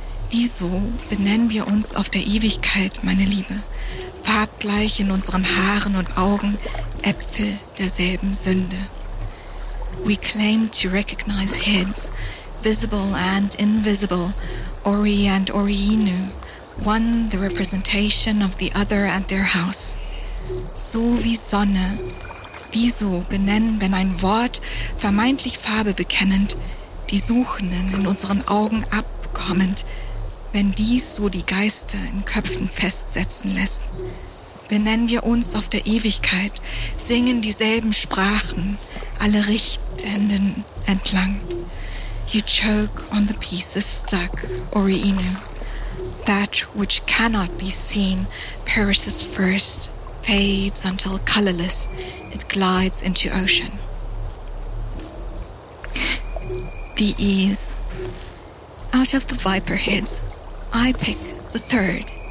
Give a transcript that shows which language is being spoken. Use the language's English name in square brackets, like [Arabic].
[German] Wieso benennen wir uns auf der Ewigkeit, meine Liebe? Farbgleich in unseren Haaren und Augen, Äpfel derselben Sünde. [English] We claim to recognize heads, visible and invisible, Ori and Orinu, one the representation of the other and their house. [German] So wie Sonne. Wieso benennen, wenn ein Wort, vermeintlich Farbe bekennend, die Suchenden in unseren Augen abkommend, wenn dies so die Geister in Köpfen festsetzen lässt. Benennen wir uns auf der Ewigkeit, singen dieselben Sprachen, alle Richtenden entlang. [English] You choke on the pieces stuck, Ori-Inu. That which cannot be seen perishes first, fades until colorless, it glides into ocean. The ease. Out of the viper heads, I pick the third.